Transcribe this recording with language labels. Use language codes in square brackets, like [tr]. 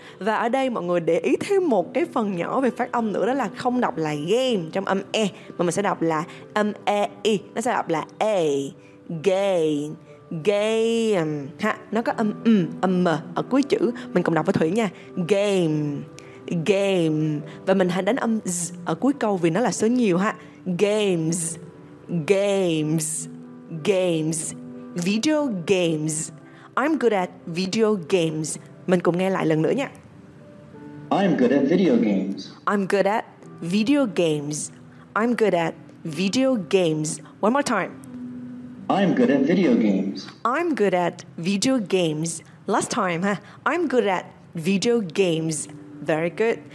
[vi] Và ở đây mọi người để ý thêm một cái phần nhỏ về phát âm nữa, đó là không đọc là game trong âm e, mà mình sẽ đọc là âm e i, nó sẽ đọc là a, game, game ha. Nó có âm m, âm m ở cuối chữ, mình cùng đọc với Thủy nha. Game, game. Và mình hãy đánh âm z ở cuối câu vì nó là số nhiều ha. [en] Games, games, games, video games. I'm good at video games. [vi] Mình cùng nghe lại lần nữa nha. [en] I'm good at video games. I'm good at video games. I'm good at video games. One more time. I'm good at video games. I'm good at video games. Last time, huh? I'm good at video games. Very good.